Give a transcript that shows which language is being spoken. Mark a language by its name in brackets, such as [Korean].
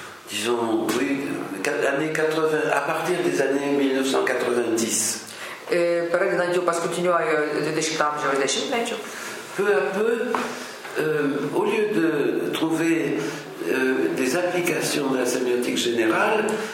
[French] disons, oui, années 80, à partir des années 1990. [Lithuanian] Pradedant jau paskutiniojo 20 amžiaus dešimtmečio. [French] Peu à peu, au lieu de trouver des applications de la sémiotique générale,